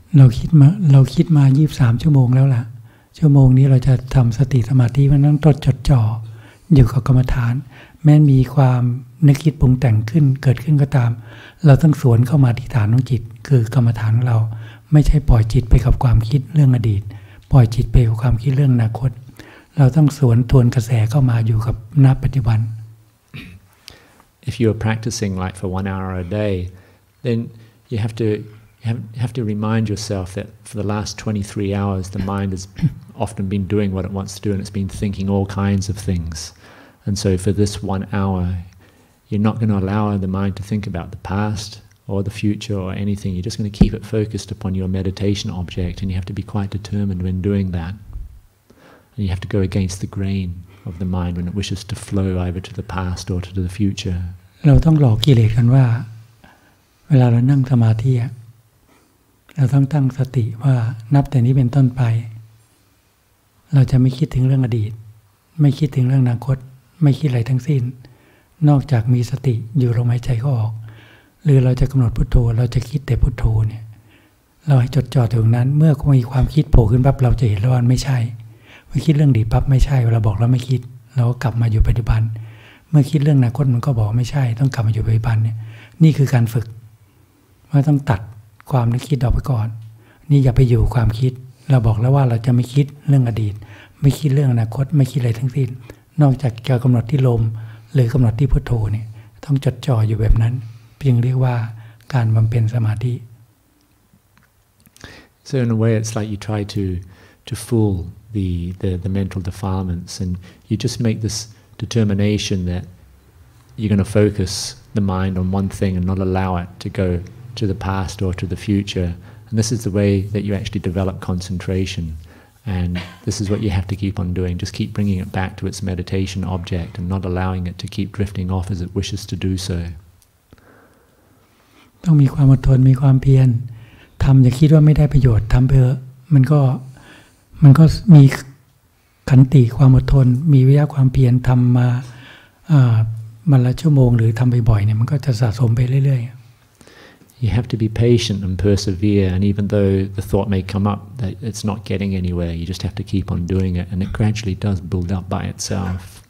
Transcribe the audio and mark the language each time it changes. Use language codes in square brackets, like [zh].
[th] เราคิดมาเราคิดมา23ชั่วโมงแล้วล่ะชั่วโมงนี้เราจะทำสติสมาธิมันต้องตรวจจดจ่ออยู่กับกรรมฐานแม้มีความนึกคิดปรุงแต่งขึ้นเกิดขึ้นก็ตามเราต้องสวนเข้ามาที่ฐานของจิตคือกรรมฐานของเราไม่ใช่ปล่อยจิตไปกับความคิดเรื่องอดีตปล่อยจิตไปกับความคิดเรื่องอนาคตเราต้องสวนทวนกระแสเข้ามาอยู่กับณปัจจุบัน [en] If you are practicing like for 1 hour a day then you have toYou have to remind yourself that for the last 23 hours the mind has often been doing what it wants to do and it's been thinking all kinds of things. And so for this 1 hour, you're not going to allow the mind to think about the past or the future or anything. You're just going to keep it focused upon your meditation object and you have to be quite determined when doing that. And you have to go against the grain of the mind when it wishes to flow either to the past or to the future. [th] เราต้องหลอกกิเลสกันว่าเวลาเรานั่งสมาธิเราต้องตั้งสติว่านับแต่นี้เป็นต้นไปเราจะไม่คิดถึงเรื่องอดีตไม่คิดถึงเรื่องอนาคตไม่คิดอะไรทั้งสิ้น นอกจากมีสติอยู่ลมหายใจเข้าออกหรือเราจะกำหนดพุทโธเราจะคิดแต่พุทโธเนี่ยเราให้จดจ่อถึงนั้นเมื่อมีความคิดโผล่ขึ้นปั๊บเราจะเห็นว่ามันไม่ใช่ไม่คิดเรื่องอดีตปั๊บไม่ใช่เราบอกเราไม่คิดเราก็กลับมาอยู่ปัจจุบันเมื่อคิดเรื่องอนาคตมันก็บอกไม่ใช่ต้องกลับมาอยู่ปัจจุบันเนี่ยนี่คือการฝึก ว่าต้องตัดความนึกคิดออกไปก่อนนี่อย่าไปอยู่ความคิดเราบอกแล้วว่าเราจะไม่คิดเรื่องอดีตไม่คิดเรื่องอนาคตไม่คิดอะไรทั้งสิ้นนอกจากจะกำหนดที่ลมหรือกำหนดที่พุทโธเนี่ยต้องจดจ่ออยู่แบบนั้นเพียงเรียกว่าการบำเพ็ญสมาธิ [en] So in a way it's like you try to fool the mental defilements and you just make this determination that you're going to focus the mind on one thing and not allow it to goto the past or to the future and this is the way that you actually develop concentration and this is what you have to keep on doing just keep bringing it back to its meditation object and not allowing it to keep drifting off as it wishes to do so [th] ต้องมีความอดทนมีความเพียรทำอย่าคิดว่าไม่ได้ประโยชน์ทำเพื่อมันก็มีขันติความอดทนมีวิริยะความเพียรทำมาละชั่วโมงหรือทำบ่อยๆเนี่ยมันก็จะสะสมไปเรื่อยๆ [en] You have to be patient and persevere, and even though the thought may come up that it's not getting anywhere, you just have to keep on doing it, and it gradually does build up by itself.